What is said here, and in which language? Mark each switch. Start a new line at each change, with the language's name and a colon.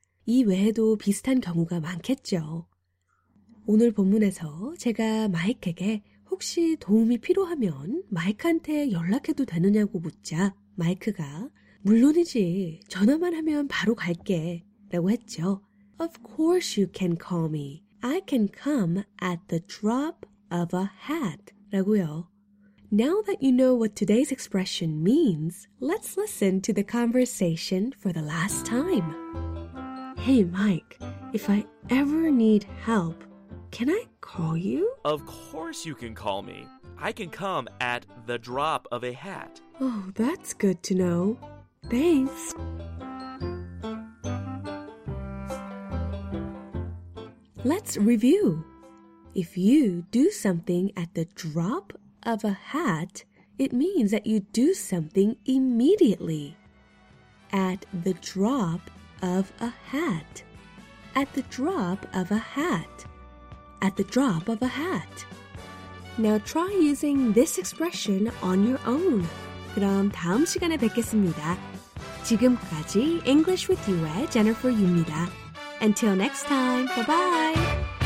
Korean: 이 외에도 비슷한 경우가 많겠죠. 오늘 본문에서 제가 마이크에게 혹시 도움이 필요하면 마이크한테 연락해도 되느냐고 묻자 마이크가 물론이지, 전화만 하면 바로 갈게 라고 했죠.
English: Of course you can call me. I can come at the drop of a hat.
Korean: 라고요.
English: Now that you know what today's expression means, let's listen to the conversation for the last time. Hey, Mike, if I ever need help, can I call you? Of course you can call me. I can come at the drop of a hat. Oh, that's good to know. Thanks. 'Let's review. If you do something at the drop of a hat, it means that you do something immediately. At the drop of a hat. At the drop of a hat. At the drop of a hat. Now try using this expression on your own.
Korean: 그럼 다음 시간에 뵙겠습니다. 지금까지 English with You의 Jennifer Yu입니다.
English: Until next time, bye-bye!